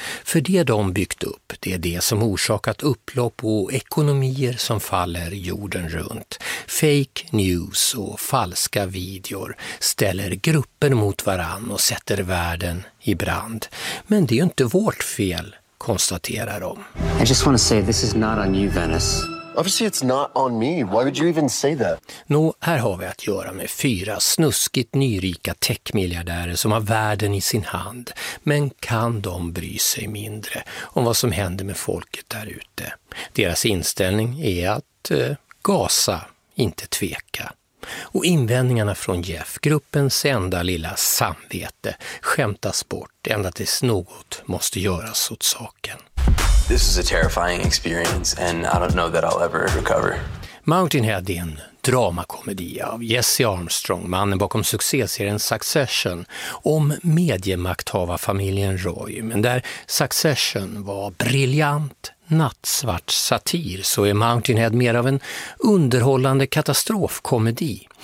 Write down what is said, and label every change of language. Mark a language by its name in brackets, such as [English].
[Swedish] För det de byggt upp, det är det som orsakat upplopp och ekonomier som faller jorden runt. Fake news och falska videor ställer grupper mot varann och sätter världen i brand. Men det är ju inte vårt fel, konstaterar de. [English] I just want to say this is not on you, Venice. Obviously it's not on me. Why would you even say that? [Swedish] Nå, här har vi att göra med fyra snuskigt nyrika techmiljardärer som har världen i sin hand. Men kan de bry sig mindre om vad som händer med folket där ute? Deras inställning är att gasa, inte tveka. Och invändningarna från Jeff, gruppens enda lilla samvete, skämtas bort ända tills något måste göras åt saken. [English] This is a terrifying experience and I don't know that I'll ever recover. [Swedish] Mountainhead är en dramakomedi av Jesse Armstrong, mannen bakom succéserien Succession, om mediemakthavarfamiljen Roy. Men där Succession var briljant nattsvart satir så är Mountainhead mer av en underhållande katastrofkomedi.